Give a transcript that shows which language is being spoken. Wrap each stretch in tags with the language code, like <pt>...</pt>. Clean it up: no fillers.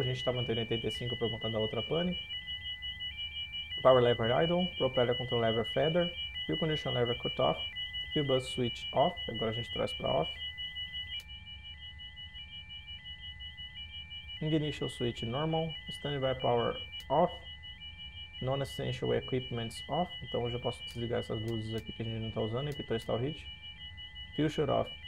<pt>A gente está mantendo 85 por conta da outra pane.</pt> <en>Power lever idle, propeller control lever feather, fuel condition lever cut off, fuel bus switch off.</en> <pt>Agora a gente traz para off.</pt> <en>Ignition switch normal, standby power off, non-essential equipments off.</en> <pt>Então eu já posso desligar essas luzes aqui que a gente não está usando e pitot stall heat. Fuel shut off.</pt>